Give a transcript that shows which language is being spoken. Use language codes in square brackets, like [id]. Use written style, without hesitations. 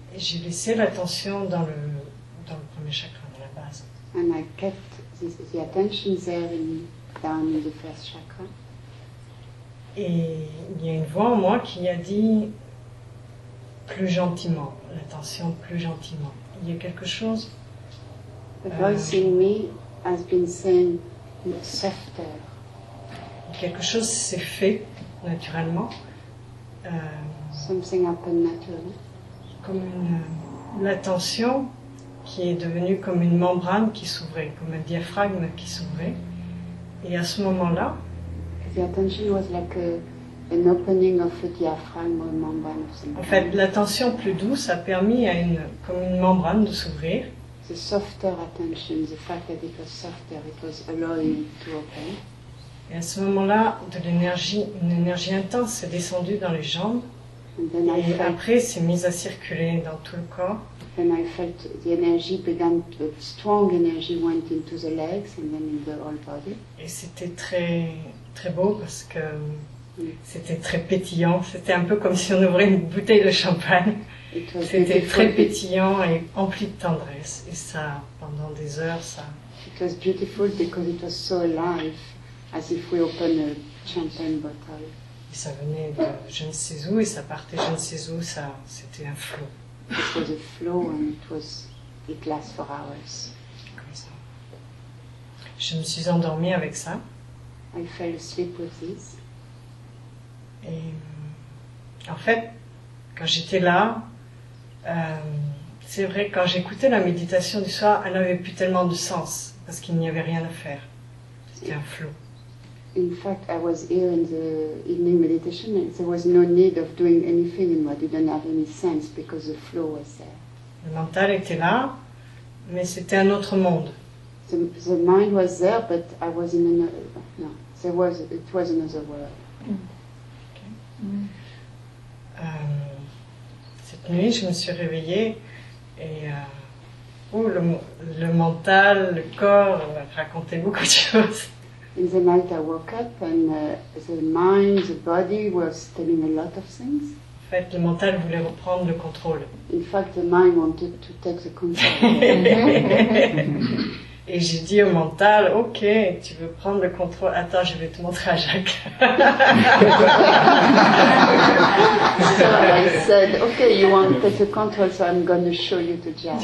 [fr] Et j'ai laissé l'attention dans le premier chakra, dans la base. [en] And I kept the attention there down in the first chakra. [fr] Et il y a une voix en moi qui a dit plus gentiment, l'attention plus gentiment. Il y a quelque chose. [en] The voice in me has been saying softer. [fr] Quelque chose s'est fait naturellement. [en] Something happened naturally. [fr] Comme l'attention qui est devenue comme une membrane qui s'ouvrait, comme un diaphragme qui s'ouvrait. Et à ce moment-là, [en] the attention was like an opening of a diaphragm or a membrane of something. [fr] En fait, l'attention plus douce a permis à une comme une membrane de s'ouvrir. [en] The softer attention, the fact that it was softer, it was allowing to open. [fr] Et à ce moment-là, de l'énergie, une énergie intense s'est descendue dans les jambes et après s'est mise à circuler dans tout le corps. [en] Then I felt the energy began to, strong energy went into the legs and then in the whole body. [fr] Et c'était très très beau parce que c'était très pétillant. C'était un peu comme si on ouvrait une bouteille de champagne. C'était très pétillant et empli de tendresse. Et ça, pendant des heures, ça. [en] It was beautiful because it was so alive. As if we open a champagne bottle. [fr] Et ça venait de je ne sais où et ça partait je ne sais où, ça, c'était un flot. [en] It was a flow and it lasts for hours. [fr] Comme ça. Je me suis endormie avec ça. [en] I fell asleep with this. [fr] Et en fait, quand j'étais là, c'est vrai, quand j'écoutais la méditation du soir, elle n'avait plus tellement de sens parce qu'il n'y avait rien à faire. C'était un flot. [en] In fact, I was here in the evening meditation and there was no need of doing anything in what didn't have any sense because the flow was there. [fr] Le mental était là, mais c'était un autre monde. [en] The mind was there, but I was in another... No, it was another world. [fr] Cette nuit, je me suis réveillée et coup, le mental, le corps racontaient beaucoup de choses. [en] In the night I woke up and the mind, the body was telling a lot of things. [fr] En fait, le mental voulait reprendre le contrôle. [en] In fact, the mind wanted to take the control. [fr] Et j'ai dit au mental, ok, tu veux prendre le contrôle, attends, je vais te montrer à Jacques. [en] So I said, ok, you want to take the control, so I'm going to show you to Jacques.